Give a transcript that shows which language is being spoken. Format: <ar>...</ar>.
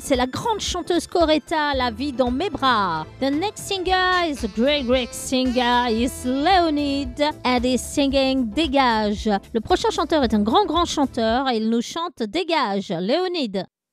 <fr>C'est la grande chanteuse Coretta, la vie dans mes bras.</fr> <en>The next singer is a great, great singer. It's Leonid and he's singing Dégage.</en> <fr>Le prochain chanteur est un grand, grand chanteur et il nous chante Dégage, Leonid.</fr>